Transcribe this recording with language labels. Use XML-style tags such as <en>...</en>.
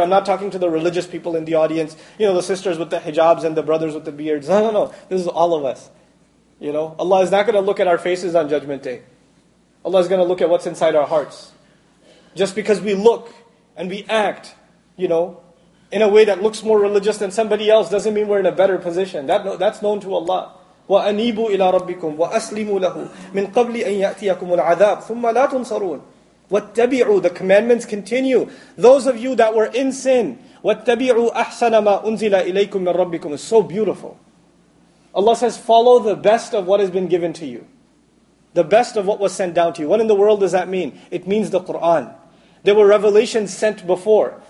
<en>I'm not talking to the religious people in the audience. The sisters with the hijabs and the brothers with the beards. No. This is all of us. Allah is not going to look at our faces on Judgment Day. Allah is going to look at what's inside our hearts. Just because we look and we act, in a way that looks more religious than somebody else doesn't mean we're in a better position. That's known to Allah.</en> <ar>وَأَنِيبُوا إِلَىٰ رَبِّكُمْ وَأَسْلِمُوا لَهُ مِنْ قَبْلِ أَنْ يَأْتِيَكُمُ الْعَذَابُ ثُمَّ لَا تُنْصَرُونَ وَاتَّبِعُوا</ar> <en>The commandments continue. Those of you that were in sin,</en> <ar>وَاتَّبِعُوا أَحْسَنَ مَا أُنزِلَ إِلَيْكُمْ مِنْ رَبِّكُمْ</ar> <en>It's so beautiful. Allah says, follow the best of what has been given to you. The best of what was sent down to you. What in the world does that mean? It means the Qur'an. There were revelations sent before.</en>